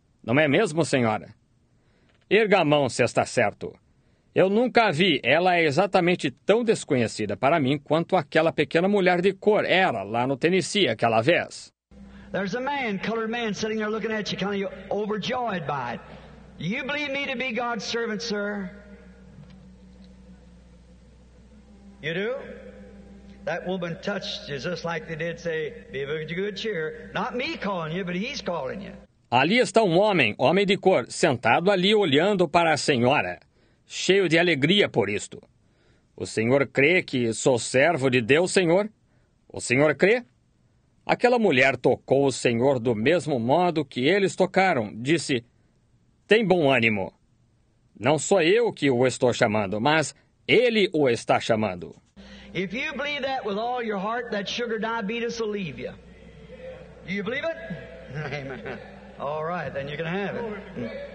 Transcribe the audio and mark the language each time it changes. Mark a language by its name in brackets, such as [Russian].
[Portuguese] Não é mesmo, senhora? Erga a mão se está certo. Eu nunca a vi. Ela é exatamente tão desconhecida para mim quanto aquela pequena mulher de cor era lá no Tennessee aquela vez. [English] There's a man, colored man, sitting there looking at you, kind of overjoyed by it. You believe me to be God's servant, sir? You do? That woman touched you just like they did say, be of good cheer. Not me calling you, but he's calling you. [Portuguese] Ali está homem de cor, sentado ali olhando para a senhora, cheio de alegria por isto. O senhor crê que sou servo de Deus, senhor? O senhor crê? Aquela mulher tocou o Senhor do mesmo modo que eles tocaram. Disse, tem bom ânimo. Não sou eu que o estou chamando, mas ele o está chamando. [English] If you believe that with all your heart, that sugar diabetes will leave you. Do you believe it? Amen. All right, then you can have it.